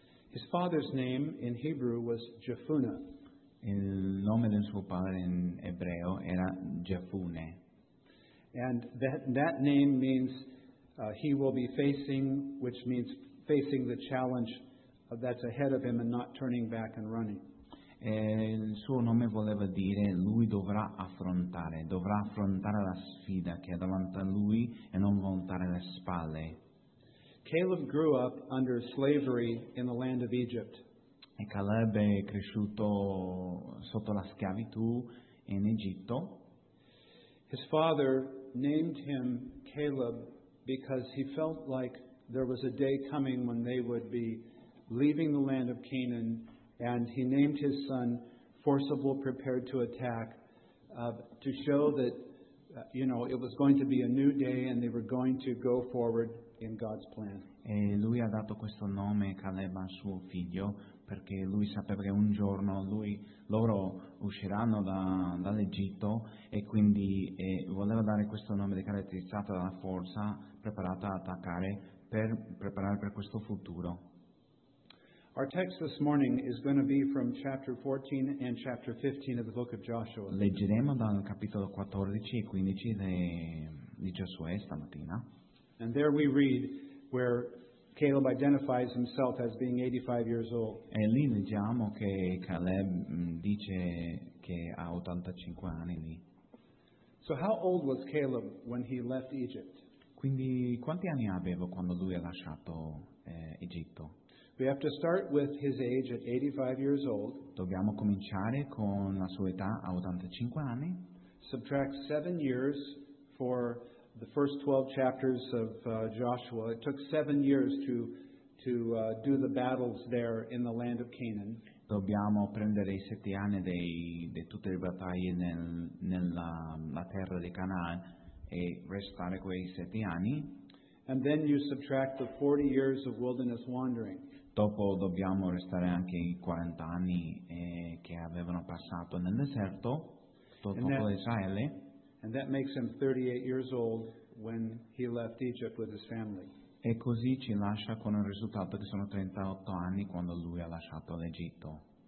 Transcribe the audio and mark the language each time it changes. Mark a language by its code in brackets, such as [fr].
[en] His father's name in Hebrew was Jephunneh. [it] Il nome del suo padre in ebreo era Jefune. [en] And that name means he will be facing, which means facing the challenge that's ahead of him and not turning back and running. [it] E il suo nome voleva dire lui dovrà affrontare la sfida che è davanti a lui e non voltare le spalle. [en] Caleb grew up under slavery in the land of Egypt. [it] E Caleb è cresciuto sotto la schiavitù in Egitto. [en] His father named him Caleb because he felt like there was a day coming when they would be leaving the land of Canaan, and he named his son Forcible, Prepared to Attack, to show that, it was going to be a new day and they were going to go forward in God's plan. [it] E lui ha dato questo nome, Caleb, a suo figlio, perché lui sapeva che un giorno loro usciranno dall'Egitto e quindi voleva dare questo nome caratterizzato dalla forza, preparata ad attaccare, per preparare per questo futuro. [en] Our text this morning is going to be from chapter 14 and chapter 15 of the book of Joshua. [it] Leggeremo dal capitolo 14 e 15 di Giosuè stamattina. [en] And there we read where Caleb identifies himself as being 85 years old. [it] E lì leggiamo che Caleb dice che ha 85 anni lì. [en] So how old was Caleb when he left Egypt? [it] Quindi quanti anni aveva quando lui ha lasciato Egitto? [en] We have to start with his age at 85 years old. [it] Dobbiamo cominciare con la sua età a 85 anni. [en] Subtract 7 years for the first 12 chapters of Joshua. It took 7 years to do the battles there in the land of Canaan. [it] Dobbiamo prendere i 7 anni di tutte le battaglie nella terra di Canaan e restare quei 7 anni. [en] And then you subtract the 40 years of wilderness wandering. [it] Dopo dobbiamo restare anche i 40 anni che avevano passato nel deserto, dopo Israele. [en] And that makes him 38 years old when he left Egypt with his family. [it] E così ci lascia con il risultato che sono 38 anni quando lui ha lasciato l'Egitto.